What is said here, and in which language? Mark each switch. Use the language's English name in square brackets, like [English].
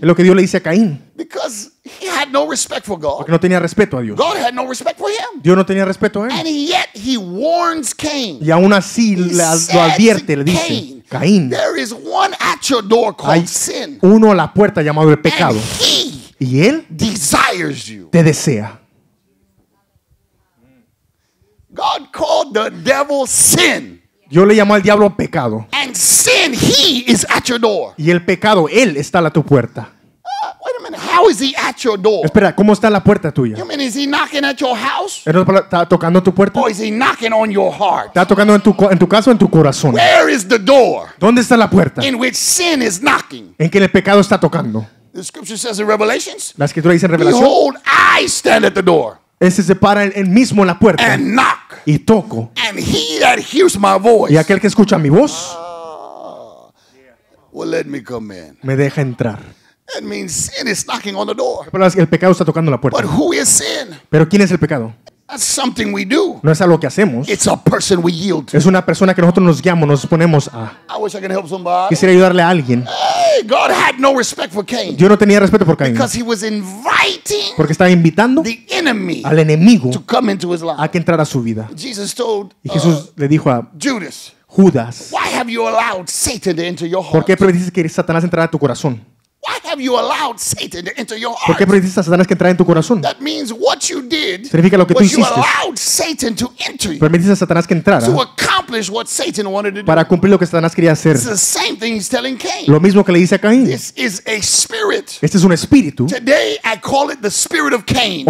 [Spanish] Es lo que Dios le dice a Caín. [English] Because he had no respect for God. [Spanish] Porque no tenía respeto a Dios. [English] God had no respect for him. [Spanish] Dios no tenía respeto a él. [English] And yet he warns Cain. [Spanish] Y aún así lo advierte, le dice, Caín. [English] There is one at your door called sin. [Spanish] Hay uno a la puerta llamado el pecado. [English] And he, [Spanish] y él, [English] desires you. [Spanish] Te desea. [English] God called the devil sin. [Spanish] Yo le llamo al diablo pecado. [English] And sin, he is at your door. [Spanish] Y el pecado, él está a tu puerta. [English] Wait a minute, how is he at your door? [Spanish] Espera, ¿cómo está la puerta tuya? [English] You mean, is he knocking at your house? [Spanish] ¿Está tocando tu puerta? [English] Or is he knocking on your heart? [Spanish] ¿Está tocando en tu casa o en tu corazón? [English] Where is the door? [Spanish] ¿Dónde está la puerta? [English] In which sin is knocking. [Spanish] ¿En que el pecado está tocando? [English] The scripture says in Revelations. [Spanish] La escritura dice en Revelación. [English] Behold, I stand at the door. [Spanish] Ese se para él mismo en la puerta. [English] And knock. [Spanish] Y toco. [English] And he that hears my voice. [Spanish] Y aquel que escucha mi voz. [English] Well, let me come in. [Spanish] Me deja entrar. [English] That means sin is knocking on the door. [Spanish] Pero el pecado está tocando la puerta. [English] But who is sin? [Spanish] Pero ¿quién es el pecado? [English] That's something we do. [Spanish] No es algo que hacemos. [English] It's a person we yield to. [Spanish] Es una persona que nosotros nos guiamos, nos exponemos a. [English] I wish I could help somebody. [Spanish] Quisiera ayudarle a alguien. [English] Hey, God had no respect for Cain. [Spanish] Yo no tenía respeto por Caín. [English] Because he was inviting. [Spanish] Porque estaba invitando. [English] The enemy. [Spanish] Al enemigo. [English] To come into his life. [Spanish] A que entrara a su vida. [English] Jesus told. [Spanish] Y Jesús le dijo a [English] Judas. [Spanish] Judas. [English] Why have you allowed Satan to enter your heart? [Spanish] ¿Por qué permitiste que Satanás entrara a tu corazón? [English] Why have you allowed Satan to enter your heart? [Spanish] ¿Por qué permitiste a Satanás que entrara en tu corazón? [English] That means what you did. [Spanish] Significa lo que tú hiciste. [English] You allowed Satan to enter. [Spanish] Permitiste a Satanás que entrara. [English] To accomplish what Satan wanted to do. [Spanish] Para cumplir lo que Satanás quería hacer. [English] It's the same thing he's telling Cain. [Spanish] Lo mismo que le dice a Caín. [English] This is a spirit. [Spanish] Este es un espíritu. [English] Today I call it the spirit of Cain.